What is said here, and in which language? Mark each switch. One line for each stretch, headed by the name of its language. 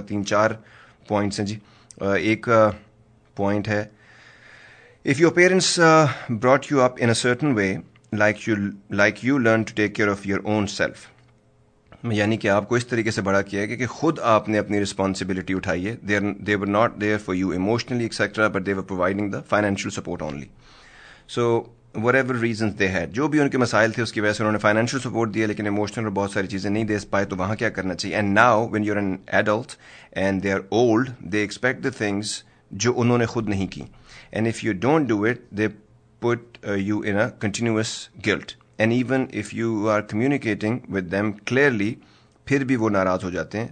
Urdu: تین چار پوائنٹس ہیں جی. ایک پوائنٹ ہے,
English: if your parents brought you up in a certain way like you learn to take care of your own self,
Urdu: یعنی کہ آپ کو اس طریقے سے بڑا کیا ہے کہ خود آپ نے اپنی رسپانسبلٹی اٹھائی ہے.
English: They're not there for you emotionally etcetera, but they're providing the financial support only. So whatever reasons they had,
Urdu: جو بھی ان کے مسائل تھے اس کی وجہ سے انہوں نے فائنینشیل سپورٹ دیا لیکن ایموشنل اور بہت ساری چیزیں نہیں دے پائے, تو وہاں کیا کرنا چاہیے.
English: and now when you are an adult and they are old, they expect the things
Urdu: جو انہوں نے خود نہیں کی,
English: and if you don't do it they put you in a continuous guilt, and even if you are communicating with them clearly
Urdu: پھر بھی وہ ناراض ہو جاتے ہیں.